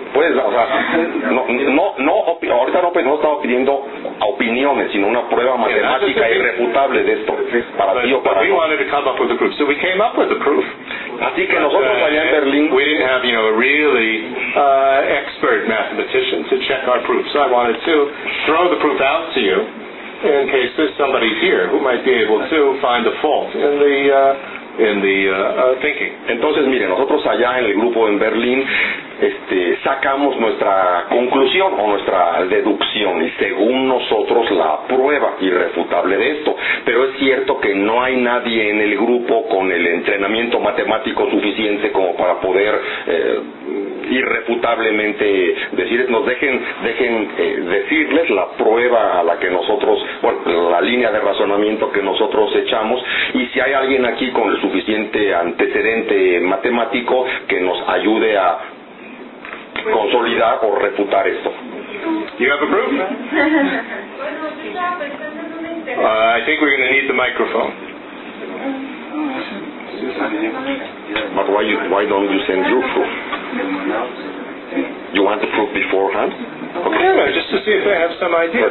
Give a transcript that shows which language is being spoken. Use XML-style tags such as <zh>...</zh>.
<es>Puedes, o sea, no estaba pidiendo opiniones, sino una prueba matemática irrefutable de esto, para ti o para mí.</es> <en>We wanted to come up with the proof, so we came up with the proof.</en> <es>Así que nosotros allá en Berlín,</es> <en>we didn't have, you know, a really expert mathematician to check our proof, so I wanted to throw the proof out to you in case there's somebody here who might be able to find a fault in the thinking.</en> <es>Entonces, mire, nosotros allá en el grupo en Berlín, sacamos nuestra conclusión o nuestra deducción y según nosotros la prueba irrefutable de esto, pero es cierto que no hay nadie en el grupo con el entrenamiento matemático suficiente como para poder irrefutablemente decir, nos dejen decirles la prueba a la que nosotros, bueno, la línea de razonamiento que nosotros echamos, y si hay alguien aquí con el suficiente antecedente matemático que nos ayude a consolidar o refutar esto.</es> <en>You have a proof? I think we're going to need the microphone. But why don't you send your proof? You want the proof beforehand? Okay. No, just to see if they have some idea.</en>